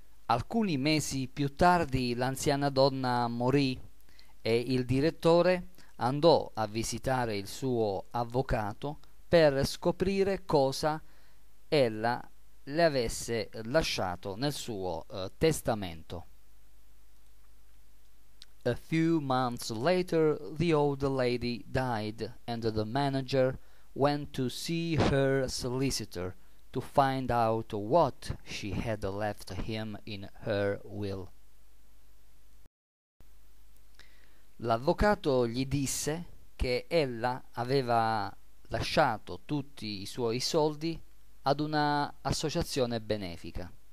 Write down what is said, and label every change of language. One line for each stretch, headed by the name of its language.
Italian: Alcuni mesi più tardi l'anziana donna morì e il direttore andò a visitare il suo avvocato per scoprire cosa ella le avesse lasciato nel suo testamento.
English: A few months later, the old lady died, and the manager went to see her solicitor to find out what she had left him in her will.
Italian: L'avvocato gli disse che ella aveva lasciato tutti i suoi soldi ad una associazione benefica.